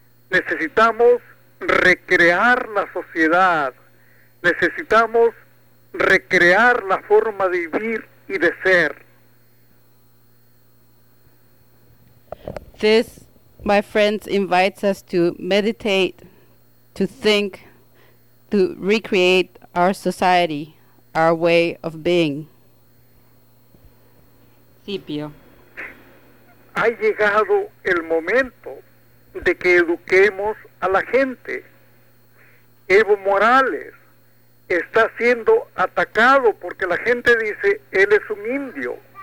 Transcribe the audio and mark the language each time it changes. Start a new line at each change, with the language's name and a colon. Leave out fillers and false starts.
Spanish: Necesitamos recrear la sociedad, necesitamos recrear la forma de vivir y de ser.
English: This, my friends, invites us to meditate, to think, to recreate our society, our way of being.
Spanish: Sí, Pío. Ha llegado el momento de que eduquemos a la gente. Evo Morales está siendo atacado porque la gente dice él es un indio.